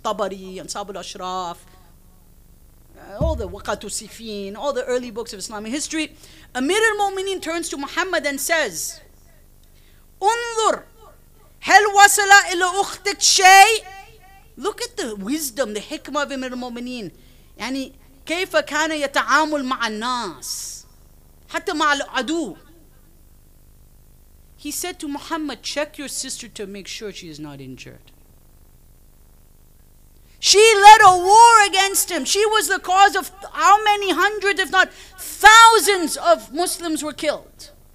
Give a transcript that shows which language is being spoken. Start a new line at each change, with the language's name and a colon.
English: Tabari, Ansab al-Ashraf, all the Waqatu Sifin, all the early books of Islamic history. Amir al-Mu'mineen turns to Muhammad and says,
Arabic: أُنظُرْ هَلْ وَصَلَ إِلَى أُخْتِكْ شَيْءٍ.
English: Look at the wisdom, the hikmah of Amir al-Mu'mineen.
Arabic: يعني كيف كان يتعامل مع الناس حتى مع العدو.
English: He said to Muhammad, check your sister to make sure she is not injured. She led a war against him. She was the cause of how many hundreds, if not thousands, of Muslims were killed.